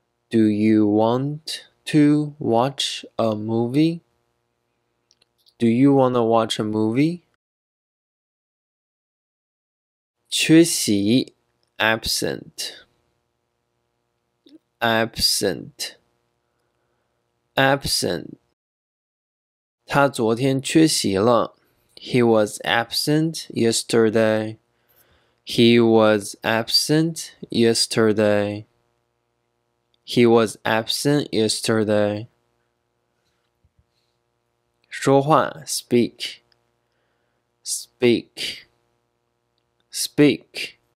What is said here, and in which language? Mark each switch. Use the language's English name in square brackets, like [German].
[English] Do you want to watch a movie? Do you want to watch a movie? [Chinese] 缺席 absent, absent。 Absent，他昨天缺席了。 [English] He was absent yesterday. He was absent yesterday. He was absent yesterday. [Chinese] 说话，speak, speak, speak。